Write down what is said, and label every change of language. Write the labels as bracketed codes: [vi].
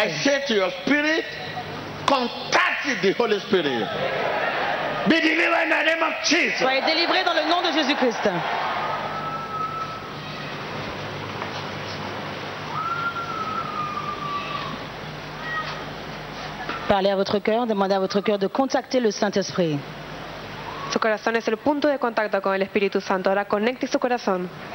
[en] I say to your spirit, contact the Holy Spirit. Be delivered in the name of Jesus. [fr] Soyez délivré dans le nom de Jésus-Christ. Parlez à votre cœur, demandez à votre cœur de contacter le Saint-Esprit. [es] Su corazón es el punto de contacto con el Espíritu Santo. Ahora conecte su corazón.